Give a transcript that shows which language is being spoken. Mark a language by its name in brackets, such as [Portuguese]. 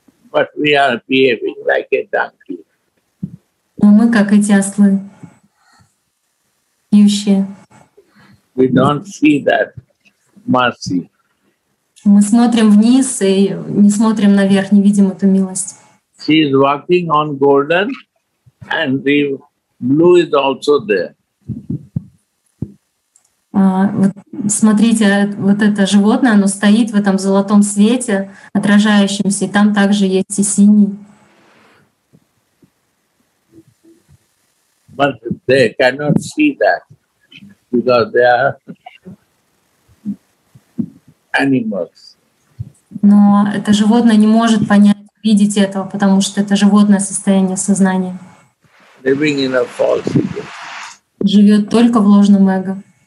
[English] But we are behaving like a donkey. [Russian] Но мы как эти ослы. пьющие. [English] We don't see that mercy. [Russian] Мы смотрим вниз и не смотрим наверх, не видим эту милость. [English] She is walking on golden, and the blue is also there. [Russian] Вот смотрите, вот это животное, оно стоит в этом золотом свете, отражающемся, и там также есть и синий. [English] But they cannot see that because they are animals. [Russian] Но это животное не может понять, видеть этого, потому что это животное состояние сознания. [English] Living in a false ego. [Russian] Живет только в ложном эго.